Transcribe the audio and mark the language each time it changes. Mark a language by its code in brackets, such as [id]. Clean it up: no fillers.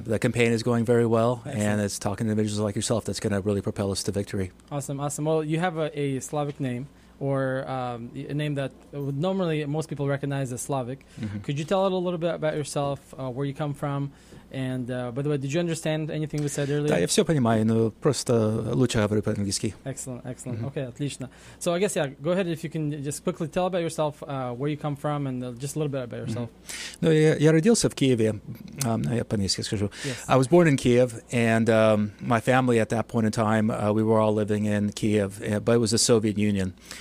[en] The campaign is going very well, and it's talking to individuals like yourself that's going to really propel us to victory. Awesome, awesome. Well, you have a Slavic name, or a name that would normally most people recognize as Slavic. Mm-hmm. Could you tell it a little bit about yourself, where you come from? And by the way, did you understand anything we said earlier? [ru] Да, я все понимаю, но просто лучше говорю по-английски. [en] Excellent, excellent. Mm-hmm. Okay, [ru] отлично. [en] So I guess, yeah, go ahead if you can just quickly tell about yourself, where you come from, and just a little bit about yourself. [ru] Mm-hmm. Ну, я родился в Киеве. Я по-английски скажу. [en] Yes. I was born in Kiev, and my family at that point in time, we were all living in Kiev, but it was the Soviet Union.